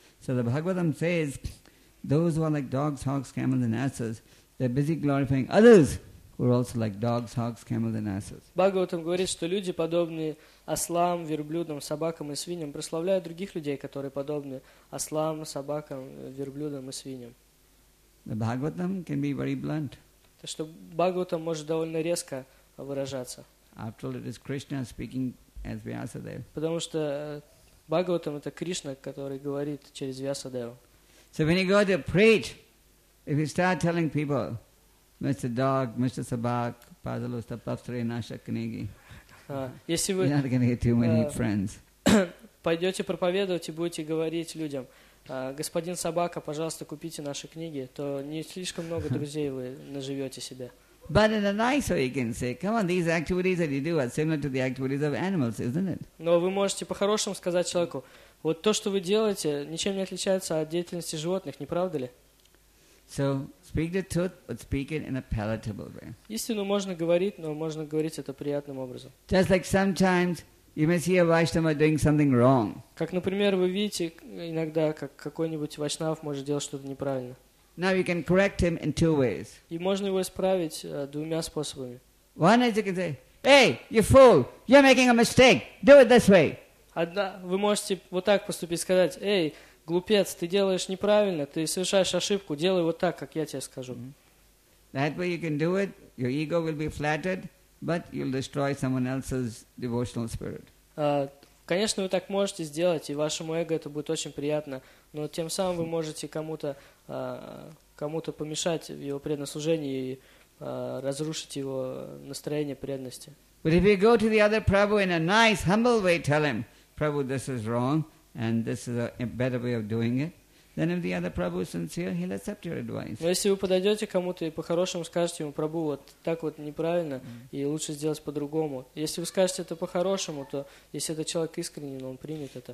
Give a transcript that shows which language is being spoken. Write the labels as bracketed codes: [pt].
[en] So the Bhagavatam says, those who are like dogs, hogs, camels, and asses, they're busy glorifying others who are also like dogs, hogs, camels, and asses. [ru] Бхагаватам говорит, что люди, подобные ослам, верблюдам, собакам и свиньям, прославляют других людей, которые подобны ослам, собакам, верблюдам и свиньям. [en] The Bhagavatam can be very blunt. [ru] То, что Бхагаватам может довольно резко выражаться. [en] After all, it is Krishna speaking as Vyasadeva. [ru] Потому что Бхагаватам – это Кришна, который говорит через Вьясадеву. [en] So when you go to preach, if you start telling people, Mr. Dog, Mr. Sabak, Padalusta, Pavstray, Nasha, Knigi, you're not going to get too many friends. [ru] Пойдете проповедовать и будете говорить людям, господин собака, пожалуйста, купите наши книги, то не слишком много друзей вы наживете себе. [en] But in a nice way you can say, come on, these activities that you do are similar to the activities of animals, isn't it? [ru] Но вы можете по-хорошему сказать человеку, вот то, что вы делаете, ничем не отличается от деятельности животных, не правда ли? [en] So, speak the truth, but speak it in a palatable way. [ru] Истину можно говорить, но можно говорить это приятным образом. [en] Just like sometimes you may see a Vaishnava doing something wrong. [ru] Как, например, вы видите иногда, как какой-нибудь Вайшнав может делать что-то неправильно. [en] Now you can correct him in two ways. [ru] И можно его исправить двумя способами. [en] One is you can say, hey, you fool, you're making a mistake, do it this way. [ru] Вы можете вот так поступить, сказать, эй, глупец, ты делаешь неправильно, ты совершаешь ошибку, делай вот так, как я тебе скажу. [en] That way you can do it, your ego will be flattered, but you'll destroy someone else's devotional spirit. [ru] Конечно, вы так можете сделать, и вашему эго это будет очень приятно, но тем самым вы можете кому-то помешать в его преднослужении и разрушить его настроение преданности. [en] But if you go to the other Prabhu in a nice, humble way, tell him, Prabhu, this is wrong, and this is a better way of doing it, then if the other Prabhu is sincere, he'll accept your advice. [ru] Но если вы подойдете к кому-то и по-хорошему скажете ему, Прабу, вот так вот неправильно, и лучше сделать по-другому. Если вы скажете это по-хорошему, то если этот человек искренний, он примет это.